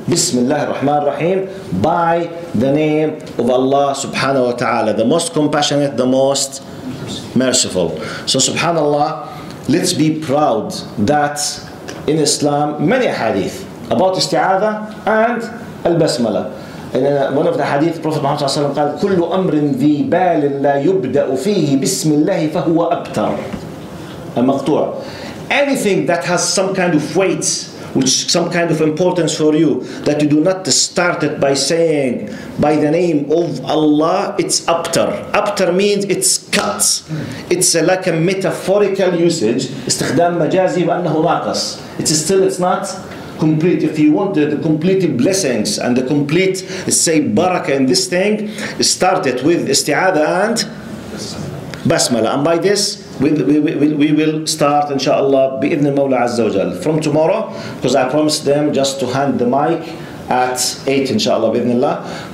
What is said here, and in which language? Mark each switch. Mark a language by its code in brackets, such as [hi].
[ar] بسم الله الرحمن الرحيم, [en] by the name of Allah سبحانه وتعالى, the most compassionate, the most merciful. So سبحان الله, let's be proud that in Islam many hadith about استعاذة and البسملة. One of the hadith, Prophet Muhammad [ar] صلى الله عليه وسلم قال كل أمر ذي بال لا يبدأ فيه بسم الله فهو أبتر. المقطوع. [en] Anything that has some kind of weight, which is some kind of importance for you, that you do not start it by saying, by the name of Allah, it's abtar. Abtar means it's cut. It's like a metaphorical usage. [ar] استخدام مجازي بأنه ناقص. [en] It's still, it's not complete. If you want the complete blessings and the complete, say, barakah in this thing, start it with استعاذة and basmala. And by this, We will start, inshallah, [ar] بإذن المولى عز وجل, [en] from tomorrow, because I promised them just to hand the mic at 8, inshallah, بإذن الله.